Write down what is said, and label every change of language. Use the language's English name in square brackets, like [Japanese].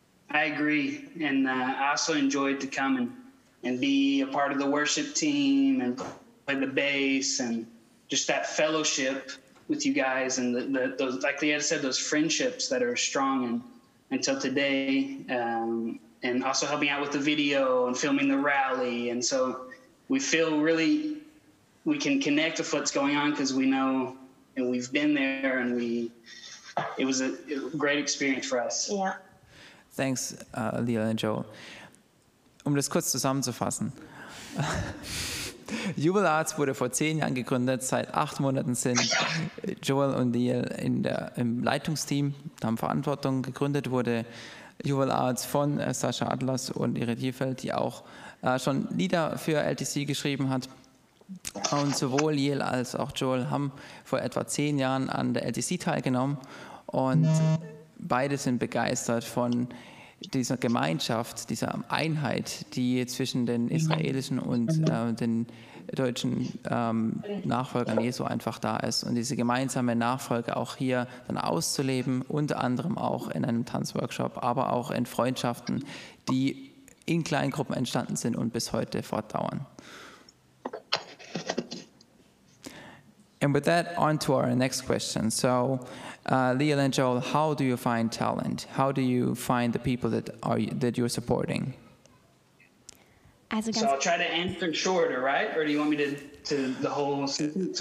[English] I agree, and I also enjoyed to come and be a part of the worship team and play the bass and just that fellowship with you guys, and those, like Liel said, those friendships that are strong and until today, and also helping out with the video and filming the rally. And so we feel really we can connect with what's going on because we know and we've been there, and it was a great experience for us. Yeah. Thanks, Liel and Joe. [German] Das kurz zusammenzufassen. UVAL Arts wurde vor 10 Jahren gegründet. Seit 8 Monaten sind Joel und Liel im Leitungsteam, haben Verantwortung. Gegründet wurde UVAL Arts von Sascha Atlas und Irit Ifelt, die auch schon Lieder für LTC geschrieben hat. Und sowohl Liel als auch Joel haben vor etwa 10 Jahren an der LTC teilgenommen. Und beide sind begeistert von dieser Gemeinschaft, dieser Einheit, die zwischen den israelischen und den deutschen Nachfolgern Jesu einfach da ist. Und diese gemeinsame Nachfolge auch hier dann auszuleben, unter anderem auch in einem Tanzworkshop, aber auch in Freundschaften, die in Kleingruppen entstanden sind und bis heute fortdauern. [English] And with that, on to our next question. So, Liel and Joel, how do you find talent? How do you find the people that you're supporting? So I'll try to answer shorter, right? Or do you want me to the whole sentence?